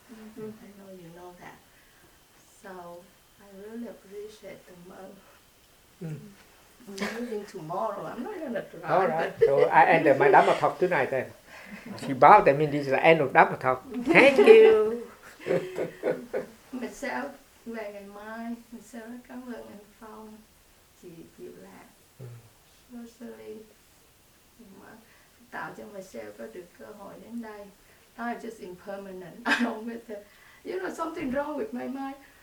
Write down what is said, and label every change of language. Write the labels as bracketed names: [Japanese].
[English] Mm-hmm. I know you know that. So I really appreciate the monk. Mm. I'm leaving tomorrow. I'm not going to drive. All right. So I end my Dhamma talk tonight then. She bowed, that means this is the end of Dhamma talk. Thank you. Myself, [Vietnamese] về ngày mai, mình sẽ rất cảm ơn anh Phong, chị Diệu Lạc, Rosalie, tạo cho Michelle có được cơ hội đến đây. [English] I'm just impermanent. I don't with the, you know, something wrong with my mind.